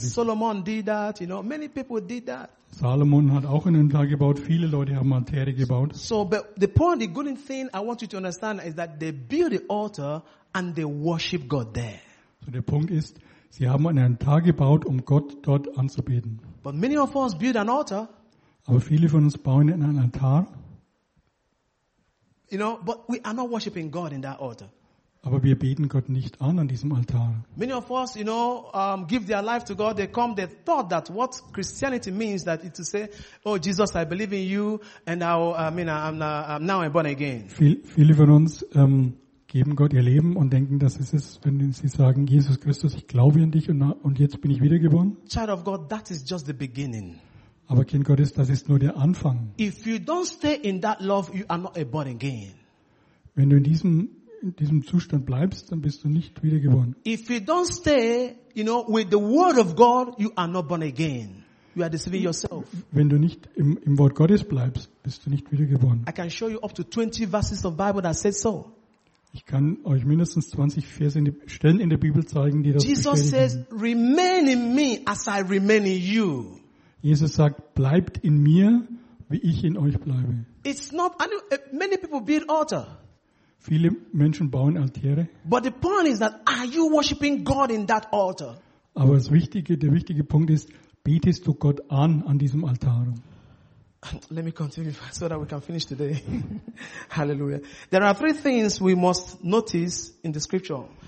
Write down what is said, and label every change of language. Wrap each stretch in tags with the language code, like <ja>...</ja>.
<en>Solomon did that, you know, many people did that.</en> <de>Salomon hat auch einen Altar gebaut, viele Leute haben Altäre gebaut.</de> <en>So, but the point, the good thing I want you to understand is that they build the altar and they worship God there.</en> <de>So der Punkt ist, sie haben einen Altar gebaut, um Gott dort anzubeten.</de> <en>But many of us build an altar.</en> <de>Aber viele von uns bauen einen Altar.</de> <en>You know, but we are not worshiping God in that altar.</en> <de>Aber wir beten Gott nicht an diesem Altar.</de> <en>Many of us, you know, give their life to God. They come, they thought that what Christianity means, that it to say, oh Jesus, I believe in you, and I'm now I'm born again.</en> <de>Viele von uns geben Gott ihr Leben und denken, das ist es, wenn sie sagen, Jesus Christus, ich glaube an dich und jetzt bin ich wiedergeboren.</de> <en>Child of God, that is just the beginning.</en> <de>Aber Kind Gottes, das ist nur der Anfang.</de> <en>If you don't stay in that love, you are not a born again.</en> <de>Wenn du in diesem Zustand bleibst, dann bist du nicht wiedergeboren.</de> <en>If you don't stay, you know, with the word of God, you are not born again. You are deceiving yourself.</en> <de>Wenn du nicht im Wort Gottes bleibst, bist du nicht wiedergeboren.</de> <en>I can show you up to 20 verses of Bible that said so.</en> <de>Ich kann euch mindestens 20 Stellen in der Bibel zeigen, die das</de> <en>Jesus</en> <de>bestätigen.</de> <en>Says, remain in me as I remain in you.</en> <de>Jesus sagt, bleibt in mir, wie ich in euch bleibe.</de> <en>It's not, many people build altar.</en> <de>Viele Menschen bauen Altäre.</de> <en>But the point is that, are you worshiping God in that altar?</en> <de>Aber der wichtige Punkt ist, betest du Gott an diesem Altar?</de> <en>Let me continue so that we can finish today. Hallelujah. There are three things we must notice in the scripture.</en>